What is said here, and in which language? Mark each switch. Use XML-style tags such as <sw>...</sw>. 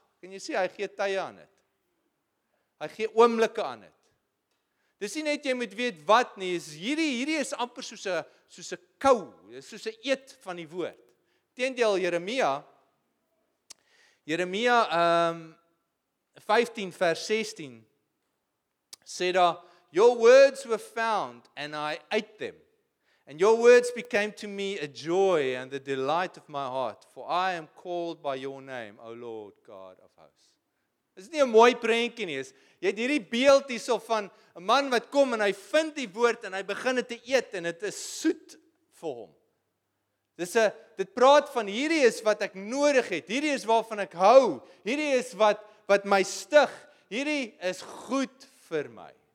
<af>Kan jy sê, hy gee tye aan het. Hy gee oomblikke aan het. Dis nie net jy moet weet wat nie, is hierdie is amper soos 'n kou, soos 'n eet van die woord. Teendeel Jeremia 15 vers 16 sê daar,</af> <en>your words were found and I ate them. And your words became to me a joy and the delight of my heart, for I am called by your name, O Lord God of hosts.</en> <af>Dis nie 'n mooi prentjie nie, jy het hierdie beeld hierso van 'n man wat kom en hy vind die woord en hy begin dit te eet en dit is soet vir hom. Dit praat van hierdie is wat ek nodig het, hierdie is waarvan ek hou, hierdie is wat my stig, hierdie is goed vir my.</af>